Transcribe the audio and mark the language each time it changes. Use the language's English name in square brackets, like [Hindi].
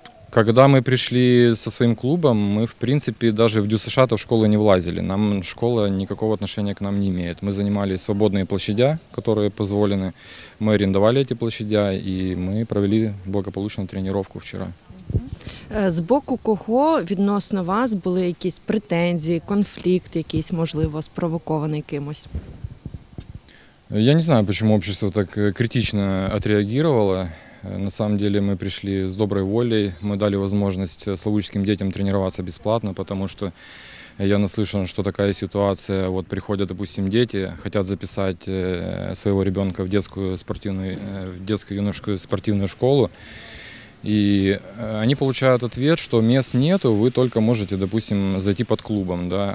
[Russian] Когда мы пришли со своим клубом, мы, в принципе, даже в ДЮСШ-то в школу не влазили. Нам школа никакого отношения к нам не имеет. Мы занимали свободные площадя, которые позволены. Мы арендовали эти площадя, и мы провели благополучную тренировку вчера. [Ukrainian] З боку кого відносно вас були якісь претензії, конфлікт якийсь, можливо, спровокований кимось? Я не знаю, чому [Russian] общество [Ukrainian] так критично відреагувало. [Russian] На самом деле мы пришли с доброй волей, мы дали возможность славутичским детям тренироваться бесплатно, потому что я наслышан, что такая ситуация, вот приходят, допустим, дети, хотят записать своего ребенка в детско-юношескую спортивную школу, и они получают ответ, что мест нету, вы только можете, допустим, зайти под клубом. Да?